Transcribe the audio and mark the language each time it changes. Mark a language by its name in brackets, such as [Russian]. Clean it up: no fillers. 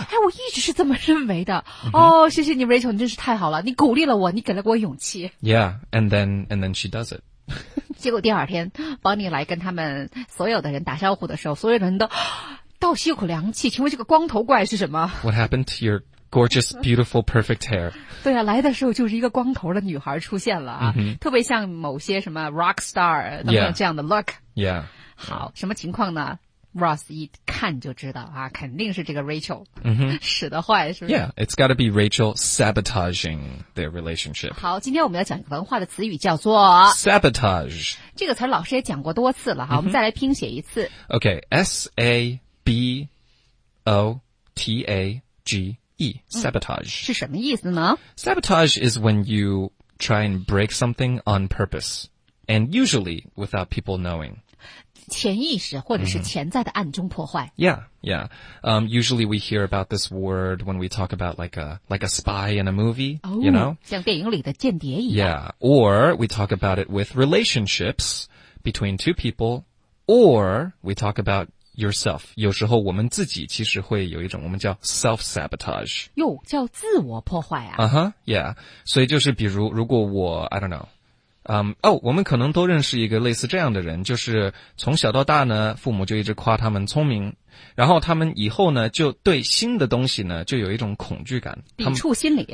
[Chinese] 哎，我一直是这么认为的。哦，谢谢你 ，Rachel， 你真是太好了，你鼓励了我，你给了我勇气。 [English] Yeah, and then she does it. [Chinese] 结果第二天 ，Bonnie 来跟他们所有的人打招呼的时候，所有人都。倒吸一口凉气，请问这个光头怪是什么 [English] ？What happened to your gorgeous, beautiful, perfect hair？ [Chinese] 对啊，来的时候就是一个光头的女孩出现了啊， mm-hmm. 特别像某些什么 rock star 等等、这样的 look。 [English] Yeah， [Chinese] 好，什么情况呢 ？Ross 一看就知道啊，肯定是这个 Rachel、使得坏，是不是 [English] ？Yeah， it's got to be Rachel sabotaging their relationship。 [Chinese] 好，今天我们要讲一个文化的词语，叫做 [English] sabotage。 [Chinese] 这个词老师也讲过多次了哈，我们再来拼写一次。 [English] OK，S A。 B O T A G E sabotage、 [Chinese] 是什么意思呢 [English] Sabotage is when you try and break something on purpose and usually without people knowing [Chinese] 潜意识或者是潜在的暗中破坏、 [English] Yeah usually we hear about this word when we talk about like a spy in a movie、you know [Chinese] 像电影里的间谍一样 [English] Yeah or we talk about it with relationships between two people or we talk aboutyourself [Chinese] 有时候我们自己其实会有一种我们叫 [English] self-sabotage [Chinese] 哟叫自我破坏啊 yeah 所以就是比如如果我 [English] I don't know [Chinese] 我们可能都认识一个类似这样的人就是从小到大呢父母就一直夸他们聪明然后他们以后呢就对新的东西呢就有一种恐惧感抵触心理